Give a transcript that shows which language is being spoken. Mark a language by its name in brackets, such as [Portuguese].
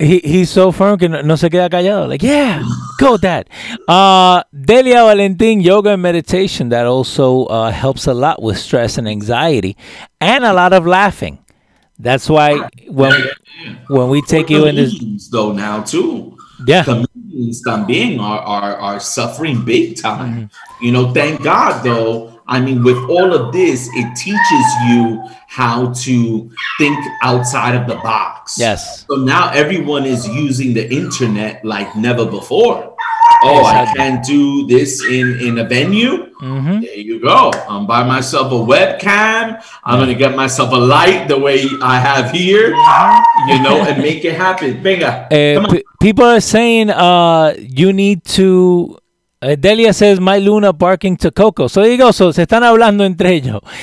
[English] He's so firm, [Spanish] que no se queda callado. [English] Like, yeah, go with that. Delia Valentin, yoga and meditation, that also helps a lot with stress and anxiety, and a lot of laughing. That's why when we take you in this, though, now too, yeah, comedians también are suffering big time. Mm-hmm. You know, thank God though. I mean, with all of this, it teaches you how to think outside of the box. Yes. So now everyone is using the internet like never before. Oh, exactly. I can't do this in a venue. Mm-hmm. There you go. I'm buying myself a webcam. I'm going to get myself a light the way I have here, you know, and make it happen. [Spanish] Venga. [English] People are saying you need to... Delia says, my Luna barking to Coco. So there you go. So [Spanish] se están hablando entre ellos.